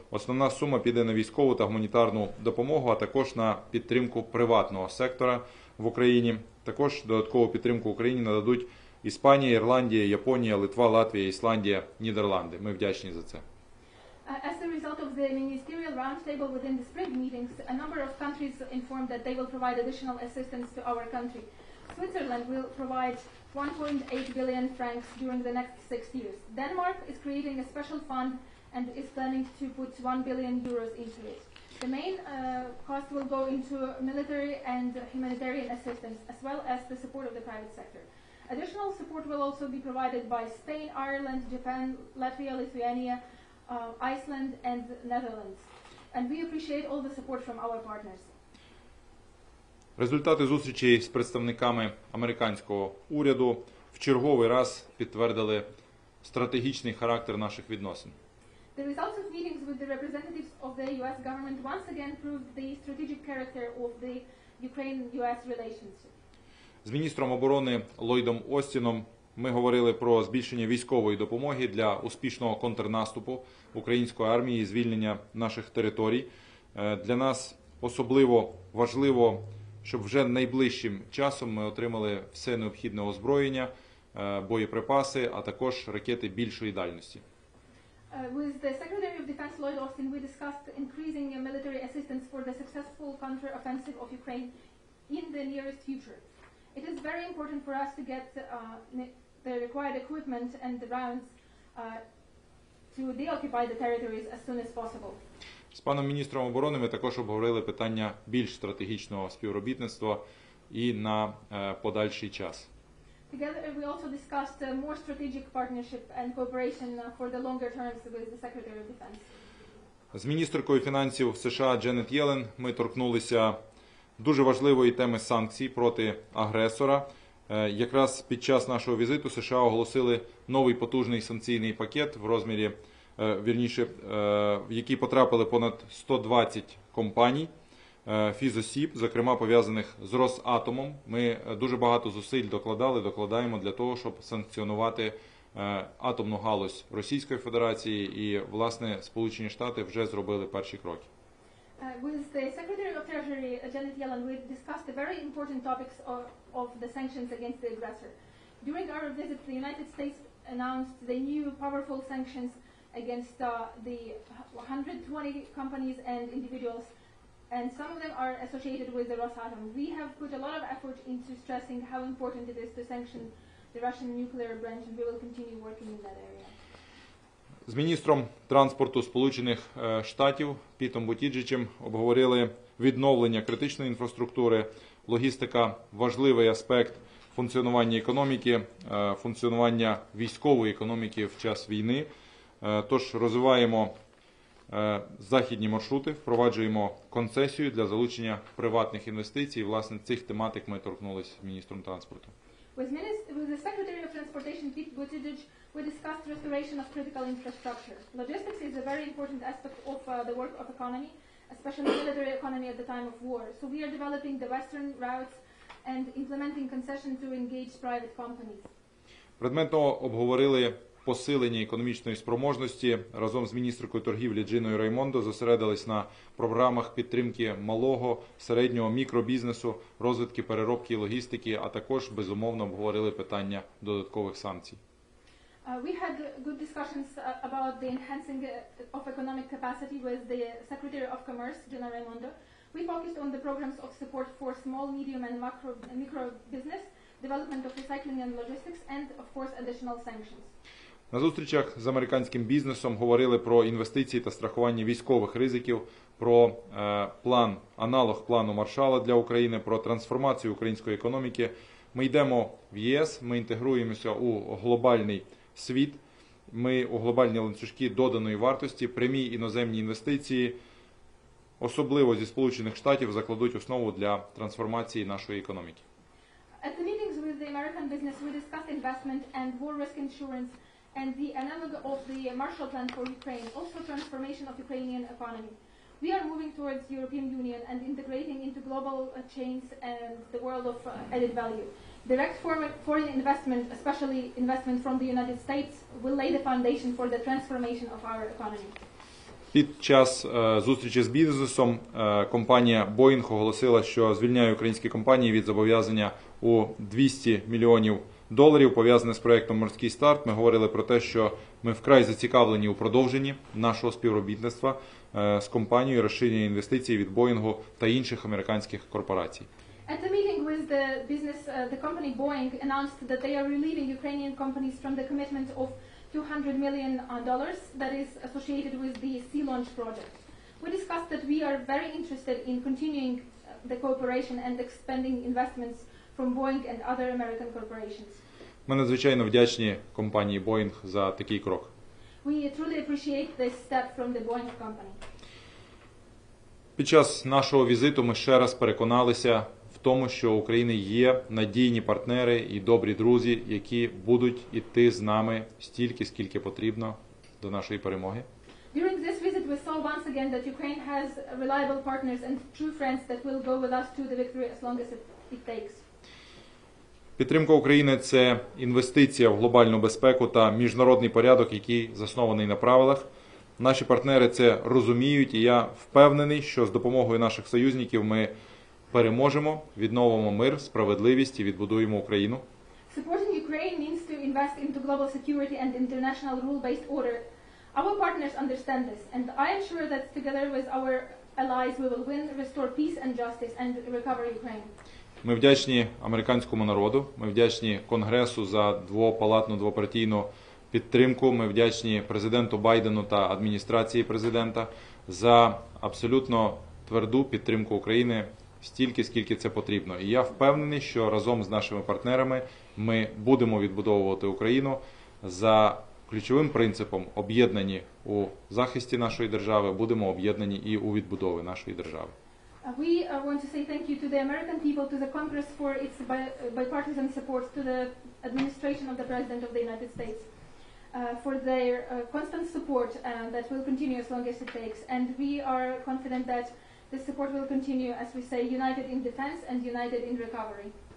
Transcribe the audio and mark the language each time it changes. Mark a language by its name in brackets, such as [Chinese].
[Ukrainian] Основна сума піде на військову та гуманітарну допомогу, а також на підтримку приватного сектора в Україні. Також додаткову підтримку Україні нададуть Іспанія, Ірландія, Японія, Литва, Латвія, Ісландія, Нідерланди. Ми вдячні за це. [English] As a result of the ministerial roundtable within the spring meetings, a number of countries informed that they will provide additional assistance to our country. Switzerland will provide 1.8 billion francs during the next 6 years. Denmark is creating a special fund and is planning to put 1 billion euros into it. The main cost will go into military and humanitarian assistance, as well as the support of the private sector. Additional support will also be provided by Spain, Ireland, Japan, Latvia, Lithuania, Iceland and Netherlands. And we appreciate all the support from our partners. [Ukrainian] Результати зустрічі з представниками американського уряду в черговий раз підтвердили стратегічний характер наших відносин. [English] The results of meetings with the representatives of the US government once again proved the strategic character of the Ukraine-US relationship. [Ukrainian] З міністром оборони Ллойдом Остіном ми говорили про збільшення військової допомоги для успішного контрнаступу української армії і звільнення наших територій. Для нас особливо важливо, щоб вже найближчим часом ми отримали все необхідне озброєння, боєприпаси, а також ракети більшої дальності. [English] With the Secretary of Defense Lloyd Austin, we discussed increasing military assistance for the successful counteroffensive of Ukraine in the nearest future. It is very important for us to get the required equipment and the rounds to deoccupy the territories as soon as possible. [Ukrainian] З паном міністром оборони ми також обговорили питання більш стратегічного співробітництва і на подальший час. [English] Together we also discussed more strategic partnership and cooperation for the longer terms with the Secretary of Defense. [Ukrainian] З міністеркою фінансів США Дженет Єлен ми торкнулися дуже важливої теми санкцій проти агресора. Якраз під час нашого візиту США оголосили новий потужний санкційний пакет в розмірі, вірніше, в який потрапили понад 120 компаній, фізосіб, зокрема пов'язаних з Росатомом. Ми дуже багато зусиль докладали, докладаємо для того, щоб санкціонувати атомну галузь Російської Федерації, і, власне, Сполучені Штати вже зробили перші кроки. [English] With the Secretary of Treasury, Janet Yellen, we discussed the very important topics of the sanctions against the aggressor. During our visit, the United States announced the new powerful sanctions against the 120 companies and individuals, and some of them are associated with the Rosatom. We have put a lot of effort into stressing how important it is to sanction the Russian nuclear branch, and we will continue working in that area. [Ukrainian] З міністром транспорту Сполучених Штатів Пітом Бутіджичем обговорили відновлення критичної інфраструктури. Логістика – важливий аспект функціонування економіки, функціонування військової економіки в час війни. Тож розвиваємо західні маршрути, впроваджуємо концесію для залучення приватних інвестицій. Власне, цих тематик ми торкнулись з міністром транспорту. [English] With the Secretary of Transportation, Pete Buttigieg, we discussed restoration of critical infrastructure. Logistics is a very important aspect of the work of economy, especially military economy at the time of war. So we are developing the Western routes and implementing concessions to engage private companies. [Ukrainian] Предметно обговорили посилення економічної спроможності. Разом з міністркою торгівлі Джиною Раймондо зосередились на програмах підтримки малого, середнього, мікробізнесу, розвитки переробки і логістики, а також, безумовно, обговорили питання додаткових санкцій. [English] We had good discussions about the enhancing of economic capacity with the Secretary of Commerce, Gina Raimondo. We focused on the programs of support for small, medium, and micro business, development of recycling and logistics, and, of course, additional sanctions. [Ukrainian] На зустрічах з американським бізнесом говорили про інвестиції та страхування військових ризиків, про план, аналог плану Маршала для України, про трансформацію української економіки. Ми йдемо в ЄС, ми інтегруємося у глобальний світ, ми у глобальні ланцюжки доданої вартості, прямі іноземні інвестиції, особливо зі Сполучених Штатів, закладуть основу для трансформації нашої економіки. [English] At the meetings with the American business, we discussed investment and war risk insurance and the analog of the Marshall Plan for Ukraine, also transformation of Ukrainian economy. We are moving towards European Union and integrating into global chains and the world of added value. Direct foreign investment, especially investment from the United States, will lay the foundation for the transformation of our economy. [Ukrainian] Під час зустрічі з бізнесом компанія Boeing оголосила, що звільняє українські компанії від зобов'язання у 200 мільйонів доларів, пов'язане з проєктом «Морський старт». Ми говорили про те, що ми вкрай зацікавлені у продовженні нашого співробітництва з компанією, розширення інвестицій від Боїнгу та інших американських корпорацій. [English] At the meeting with the business, the company Boeing announced that they are relieving Ukrainian companies from the commitment of $200 million that is associated with the sea launch project. We discussed that we are very interested in continuing the cooperation and expanding investments from Boeing and other American corporations. [Ukrainian] Ми надзвичайно вдячні компанії Boeing за такий крок. [English] We truly appreciate this step from the Boeing company. [Ukrainian] Під час нашого візиту ми ще раз переконалися в тому, що у України є надійні партнери і добрі друзі, які будуть йти з нами стільки, скільки потрібно до нашої перемоги. [English] During this visit we saw once again that Ukraine has reliable partners and true friends that will go with us to the victory as long as it takes. [Ukrainian] Підтримка України – це інвестиція в глобальну безпеку та міжнародний порядок, який заснований на правилах. Наші партнери це розуміють, і я впевнений, що з допомогою наших союзників ми переможемо, відновимо мир, справедливість і відбудуємо Україну. [English] Supporting Ukraine means to invest into global security and international rule-based order. Our partners understand this, and I am sure that together with our allies we will win, restore peace and justice and recover Ukraine. [Ukrainian] Ми вдячні американському народу, ми вдячні Конгресу за двопалатну, двопартійну підтримку, ми вдячні президенту Байдену та адміністрації президента за абсолютно тверду підтримку України стільки, скільки це потрібно. І я впевнений, що разом з нашими партнерами ми будемо відбудовувати Україну за ключовим принципом об'єднані у захисті нашої держави, будемо об'єднані і у відбудові нашої держави. [English] We want to say thank you to the American people, to the Congress for its bipartisan support, to the administration of the President of the United States for their constant support that will continue as long as it takes. And we are confident that this support will continue, as we say, united in defense and united in recovery.